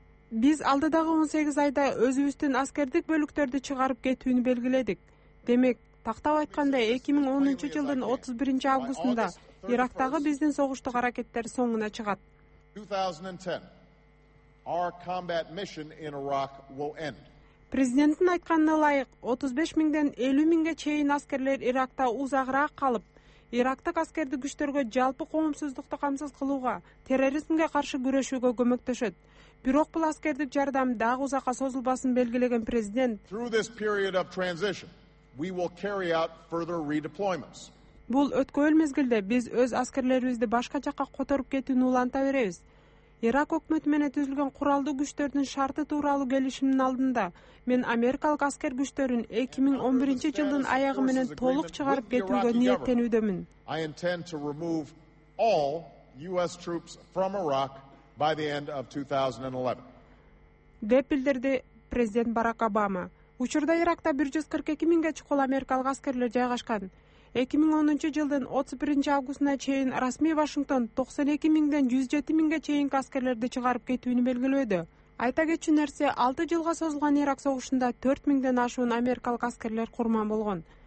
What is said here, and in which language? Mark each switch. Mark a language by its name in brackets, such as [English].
[Kyrgyz] Биз алдыдагы 18 айда өзүбүздүн аскердик бөлүктөрдү чыгарып кетүүнү белгиледик. Демек, тактап айтканда 2010 жылдын 31 августунда Ирактагы биздин согуштук аракеттер соңуна чыгат. 2010. [English] Our combat mission in Iraq will end. [Kyrgyz] Президенттин айтканына ылайык, 35 миңден 50 миңге чейин аскерлер Иракта узагыраак калып, Ирактык аскердик күчтөргө жалпы коомсуздукту камсыз кылууга, терроризмге каршы күрөшүүгө көмөктөшөт. Бирок бул аскердик жардам дагы узакка созулбасын белгилеген президент. [English] Through this period of transition, we will carry out further redeployments. [Kyrgyz] Бул өткөөл мезгилде биз өз аскерлерибизди башка жакка которуп кетүүнү уланта беребиз. Ирак өкмөтү менен түзүлгөн куралдуу күчтөрдүн шарты тууралуу келишимдин алдында мен америкалык аскер күчтөрүн 2011 жылдын аягы менен толук чыгарып кетүүгө ниеттенүүдөмүн. [English] I intend to remove all US troops from Iraq by the end of 2011. [Kyrgyz] Деп билдирди президент Барак Обама. Учурда Иракта 142 миңге чукул америкалык аскерлер жайгашкан. 2010 жылдын 31 августуна чейин расмий Вашингтон 92 миңден 107 миңге чейинки аскерлерди чыгарып кетүүнү белгилөөдө. Айта кетчү нерсе, 6 жылга созулган Ирак согушунда 4 миңден ашуун америкалык аскерлер курман болгон.